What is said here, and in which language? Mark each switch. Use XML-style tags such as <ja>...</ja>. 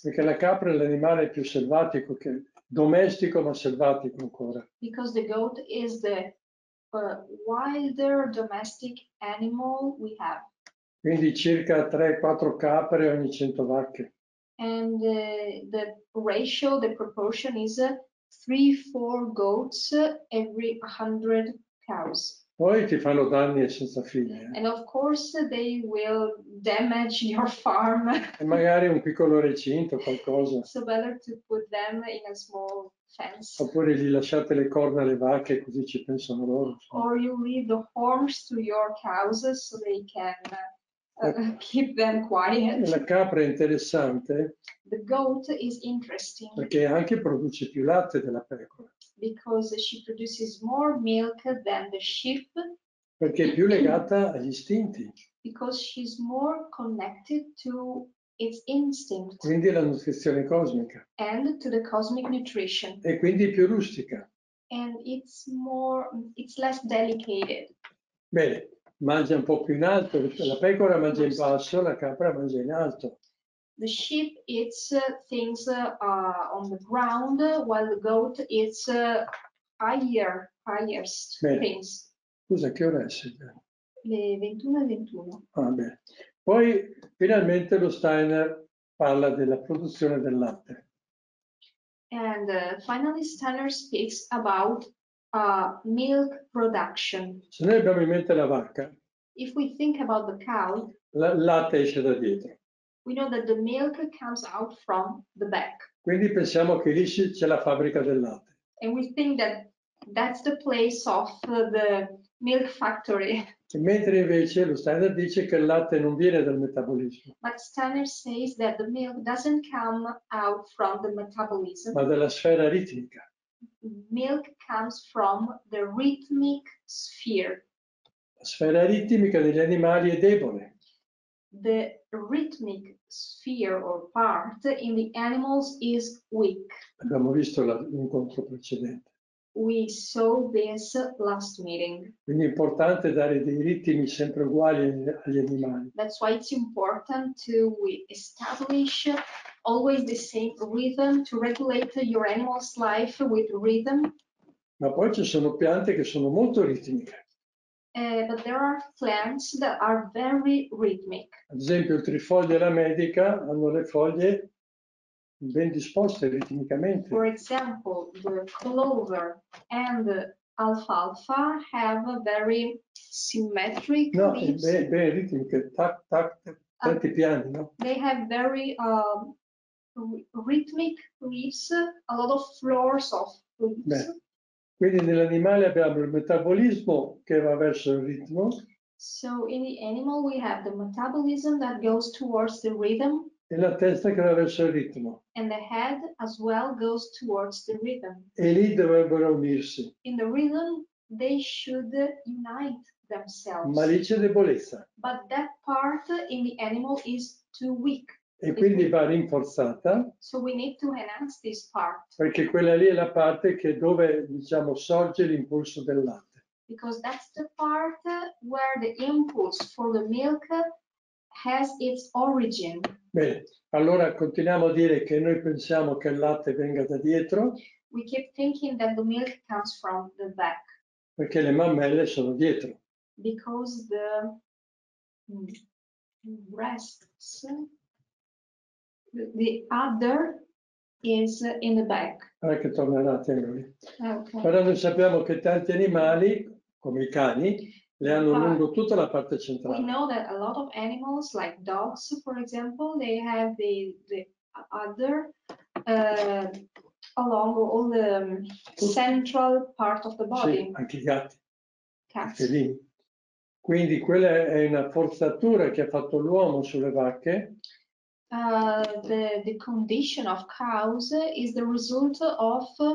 <it>Perché la capra è l'animale più selvatico, che domestico ma selvatico ancora.</it> <en>Because the goat is the wilder domestic animal we have.</en> <it>Quindi circa 3-4 capre ogni 100 vacche.</it> <en>And the ratio, the proportion is 3-4 goats every 100 cows.</en> <it>Poi ti fanno danni senza fine.</it> <en>And of course they will damage your farm.</en> <it>E magari un piccolo recinto, qualcosa.</it> <en>So better to put them in a small fence.</en> <it>Oppure gli lasciate le corna alle vacche, così ci pensano loro.</it> <en>Or you leave the horns to your cows so they can... keep them quiet.</en> <it>La capra è interessante.</it> <en>The goat is interesting.</en> <it>Perché anche produce più latte della pecora.</it> <en>Because she produces more milk than the sheep.</en> <it>Perché è più legata agli istinti.</it> <en>Because she's more connected to its instinct.</en> <it>Quindi la nutrizione cosmica.</it> <en>And to the cosmic nutrition.</en> <it>E quindi più rustica.</it> <en>And it's less delicated.</en> <it>Bene. Mangia un po' più in alto, la pecora mangia in basso, la capra mangia in alto.</it> <en>The sheep eats things on the ground, while the goat eats highest things.</en> <it>Scusa, che ora è? Sempre? Le 21:21. Ah, bene. Poi, finalmente, lo Steiner parla della produzione del latte.</it> <en>And finally Steiner speaks about milk production.</en> <it>Se noi abbiamo in mente la vacca,</it> <en>if we think about the cow,</en> <it>il latte esce da dietro.</it> <en>We know that the milk comes out from the back.</en> <it>Quindi pensiamo che lì c'è la fabbrica del latte.</it> <en>And we think that That's the place of the milk factory.</en> <it>E mentre invece lo Steiner dice che il latte non viene dal metabolismo.</it> <en>But Steiner says that the milk doesn't come out from the metabolism.</en> <it>Ma dalla sfera ritmica.</it> <en>Milk comes from the rhythmic sphere.</en> <it>La sfera ritmica degli animali è debole.</it> <en>The rhythmic sphere or part in the animals is weak.</en> <it>Abbiamo visto l'incontro precedente.</it> <en>We saw this last meeting.</en> <it>Quindi è importante dare dei ritmi sempre uguali agli animali.</it> <en>That's why it's important to establish always the same rhythm to regulate your animal's life with rhythm.</en> <it>Ma poi ci sono piante che sono molto ritmiche.</it> <en>But there are plants that are very rhythmic.</en> <it>Ad esempio il trifoglio e la medica hanno le foglie ben disposte ritmicamente.</it> <en>For example, the clover and the alfalfa have a very symmetric leaves.</en> <it>No, ben ritmiche, tac, tac, tanti piani, no?</it> <en>They have very rhythmic leaves, a lot of floors of leaves.</en> <it>Beh, quindi nell'animale abbiamo il metabolismo che va verso il ritmo.</it> <en>So in the animal we have the metabolism that goes towards the rhythm.</en> <it>E la testa che va verso il ritmo.</it> <en>And the head as well goes towards the rhythm.</en> <it>E lì dovrebbero unirsi.</it> <en>In the rhythm they should unite themselves.</en> <it>Ma lì c'è debolezza.</it> <en>But that part in the animal is too weak.</en> <it>E quindi va rinforzata.</it> <en>So we need to enhance this part.</en> <it>Perché quella lì è la parte che dove, diciamo, sorge l'impulso del latte.</it> <en>Because that's the part where the impulse for the milk has its origin.</en> <it>Bene, allora continuiamo a dire che noi pensiamo che il latte venga da dietro.</it> <en>We keep thinking that the milk comes from the back.</en> <it>Perché le mammelle sono dietro.</it> <en>Because the breasts, the other is in the back.</en> <it>Non è che tornerà a te lui.</it> <en>Okay.</en> <it>Però noi sappiamo che tanti animali, come i cani, le hanno lungo tutta la parte centrale.</it> <en>We know that a lot of animals, like dogs, for example, they have the udder along all the central part of the body.</en> <it>Sì, anche i gatti.</it> <en>Cats.</en> <it>Quindi quella è una forzatura che ha fatto l'uomo sulle vacche.</it> <en>The condition of cows is the result of</en>